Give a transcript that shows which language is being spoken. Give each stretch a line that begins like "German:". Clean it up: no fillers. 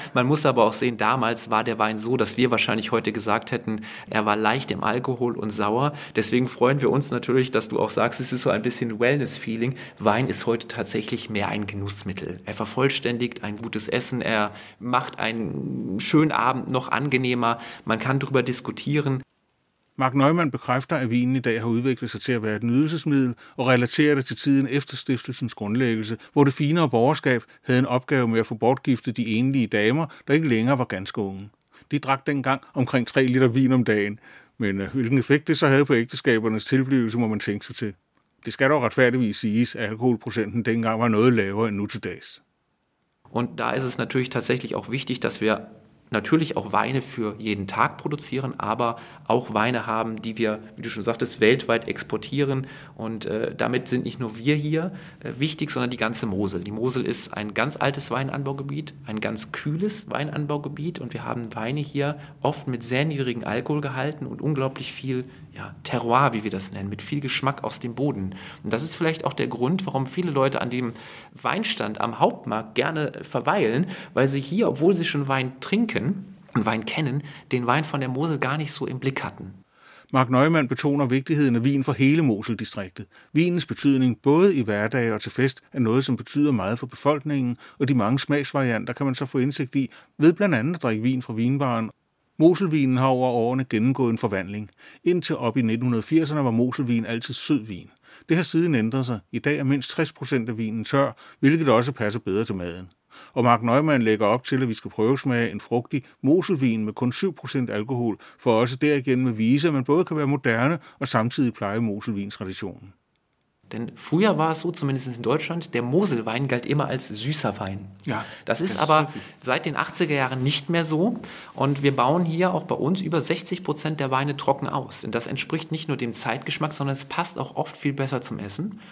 German: Man muss aber auch sehen, damals war der Wein so, dass wir wahrscheinlich heute gesagt hätten, er war leicht im Alkohol und sauer. Deswegen freuen wir uns natürlich, dass du auch sagst, es ist so ein bisschen Wellness-Feeling. Wein ist heute tatsächlich mehr ein Genussmittel. Er vervollständigt ein gutes Essen, er macht einen schönen Abend noch angenehmer. Man kann darüber diskutieren.
Danish: Mark Neumann bekræfter, at vinen i dag har udviklet sig til at være et nydelsesmiddel og relaterer det til tiden efter stiftelsens grundlæggelse, hvor det finere borgerskab havde en opgave med at få bortgiftet de enlige damer, der ikke længere var ganske unge. De drak dengang omkring 3 liter vin om dagen, men hvilken effekt det så havde på ægteskabernes tilblivelse, må man tænke sig til. Det skal dog retfærdigvis siges, at alkoholprocenten dengang var noget lavere end nu til dags. Og der er det naturligvis
German: tatsächlich auch wichtig, dass wir natürlich auch Weine für jeden Tag produzieren, aber auch Weine haben, die wir, wie du schon sagtest, weltweit exportieren. Und damit sind nicht nur wir hier wichtig, sondern die ganze Mosel. Die Mosel ist ein ganz altes Weinanbaugebiet, ein ganz kühles Weinanbaugebiet. Und wir haben Weine hier oft mit sehr niedrigen Alkoholgehalten und unglaublich viel Terroir, wie wir das nennen, mit viel Geschmack aus dem Boden. Und das ist vielleicht auch der Grund, warum viele Leute an dem Weinstand am Hauptmarkt gerne verweilen, weil sie hier, obwohl sie schon Wein trinken und Wein kennen, den Wein von der Mosel gar nicht so im Blick hatten.
Danish: Mark Neumann betoner vigtigheden af vin for hele Moseldistriktet. Vinens betydning både i hverdag og til fest er noget, som betyder meget for befolkningen, og de mange smagsvarianter kan man så få indsigt i ved blandt andet at drikke vin fra vinbaren. Moselvinen har over årene gennemgået en forvandling. Indtil op i 1980'erne var moselvin altid sød vin. Det har siden ændret sig. I dag er mindst 60% af vinen tør, hvilket også passer bedre til maden. Og Mark Neumann lægger op til, at vi skal prøvesmage en frugtig moselvin med kun 7% alkohol, for også derigennem at vise, at man både kan være moderne og samtidig pleje moselvinstraditionen.
German: Denn früher war es so, zumindest in Deutschland, der Moselwein galt immer als süßer Wein. Ja, das ist aber seit den 80er Jahren nicht mehr so. Und wir bauen hier auch bei uns über 60% der Weine trocken aus. Und das entspricht nicht nur dem Zeitgeschmack, sondern es passt auch oft viel besser zum Essen.